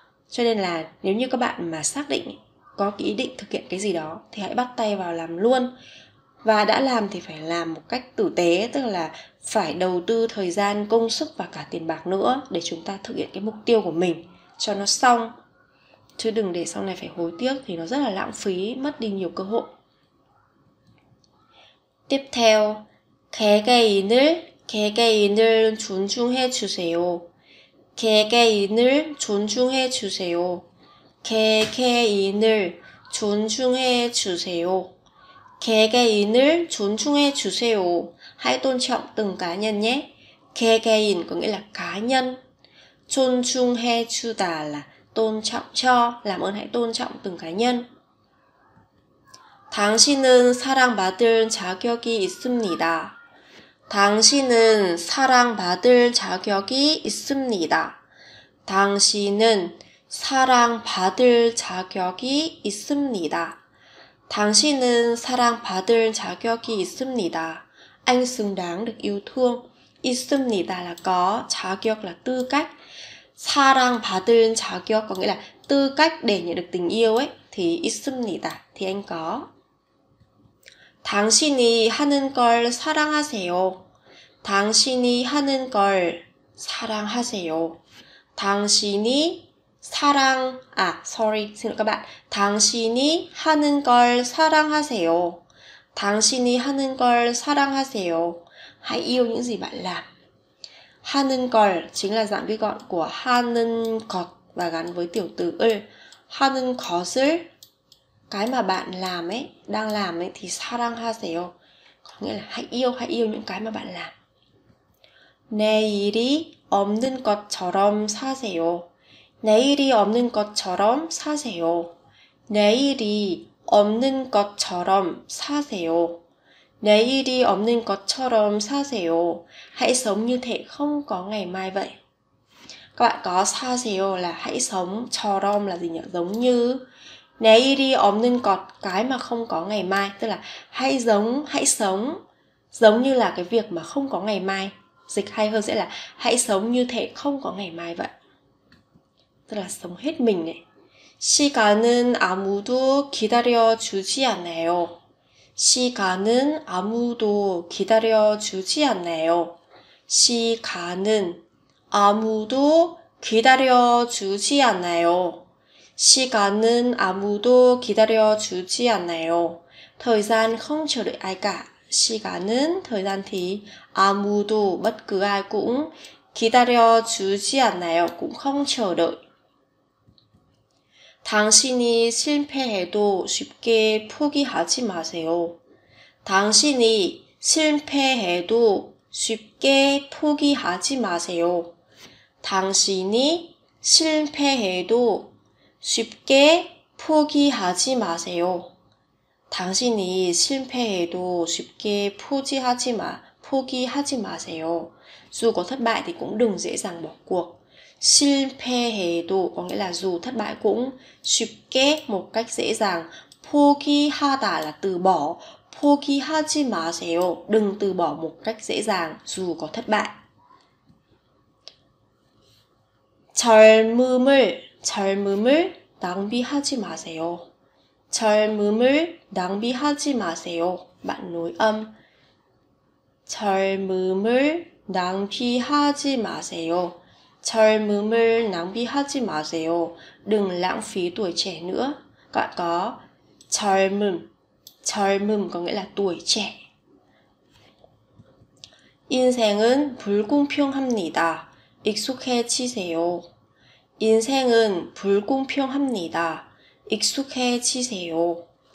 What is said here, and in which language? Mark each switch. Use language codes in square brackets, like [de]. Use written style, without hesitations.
[vi] Cho nên là nếu như các bạn mà xác định có ý định thực hiện cái gì đó thì hãy bắt tay vào làm luôn. Và đã làm thì phải làm một cách tử tế, tức là phải đầu tư thời gian, công sức và cả tiền bạc nữa để chúng ta thực hiện cái mục tiêu của mình cho nó xong. Chứ đừng để sau này phải hối tiếc thì nó rất là lãng phí, mất đi nhiều cơ hội. Tiếp theo, [ko] 개개인을 존중해 주세요. 개개인을 존중해 주세요. 개개인을 존중해 주세요. 개개인을 존중해 주세요. [vi] Hãy tôn trọng từng cá nhân nhé. 개개인 có nghĩa là cá nhân. [ko] 존중해 주다 [vi] là tôn trọng cho, làm ơn hãy tôn trọng từng cá nhân. [ko] 당신은 사랑받을 자격이 있습니다. 당신은 사랑받을 자격이 있습니다. 당신은 사랑받을 자격이 있습니다. 당신은 사랑받을 자격이 있습니다. [vi] Anh xứng đáng được yêu thương. [ko] 있습니다 [vi] là có, 자격 là tư cách. [ko] 사랑받을 자격 [vi] có nghĩa là tư cách để nhận được tình yêu ấy thì [ko] 있습니다 [vi] thì anh có. [ko] 당신이 하는 걸 사랑하세요. 당신이 하는 걸 사랑하세요. 당신이 사랑 아 [en] sorry [vi] xin lỗi các bạn. [ko] 당신이 하는 걸 사랑하세요. 당신이 하는 걸 사랑하세요. [vi] Hãy yêu những gì bạn làm. [ko] 하는 걸 [vi] chính là dạng vi gọn của [ko] 하는 것 [vi] và gắn với tiểu từ 을. [ko] 하는 것을 [vi] cái mà bạn làm ấy, đang làm ấy thì [ko] 사랑하세요. [vi] Có nghĩa là hãy yêu những cái mà bạn làm. [ko] 내 일이 없는 것처럼 사세요. 내일이 없는 것처럼 사세요. 내일이 없는 것처럼 사세요. 내일이 없는 것처럼 사세요. [vi] Hãy sống như thể không có ngày mai vậy. Các bạn có saseo là hãy sống, chorom là gì nhỉ? Giống như neiri omnen got, cái mà không có ngày mai. Tức là hãy giống, hãy sống giống như là cái việc mà không có ngày mai. Dịch hay hơn sẽ là hãy sống như thể không có ngày mai vậy. Tức là sống hết mình ấy. [ko] 시간은 아무도 기다려주지 않아요. 시간은 아무도 기다려주지 않아요. 시간은 아무도 기다려주지 않아요. 시간은 아무도 기다려주지 않아요. [vi] Thời gian không chờ đợi ai cả. 시간은 thời gian thì 아무도 bất cứ ai cũng [ko] 기다려주지 않아요. [vi] Cũng không chờ đợi. [ko] 당신이 실패해도 쉽게 포기하지 마세요. 당신이 실패해도 쉽게 포기하지 마세요. 당신이 실패해도 쉽게 포기하지 마세요. 당신이 실패해도 쉽게 포기하지 마세요. [vi] Dù có thất bại thì cũng đừng dễ dàng bỏ cuộc. [ko] 실패해도 [vi] có nghĩa là dù thất bại cũng 쉽게 một cách dễ dàng. 포기하다 là từ bỏ. 포기하지 마세요. Đừng từ bỏ một cách dễ dàng dù có thất bại. [ko] 젊음을 낭비하지 마세요. 젊음을 낭비하지 마세요. 뭔 노음? 젊음을 낭비하지 마세요. 젊음을 낭비하지 마세요. [vi] Đừng lãng phí tuổi trẻ nữa. Các bạn có 젊음 có nghĩa là tuổi trẻ. [ko] 인생은 불공평합니다. 익숙해지세요. 인생은 불공평합니다. 익숙해지세요.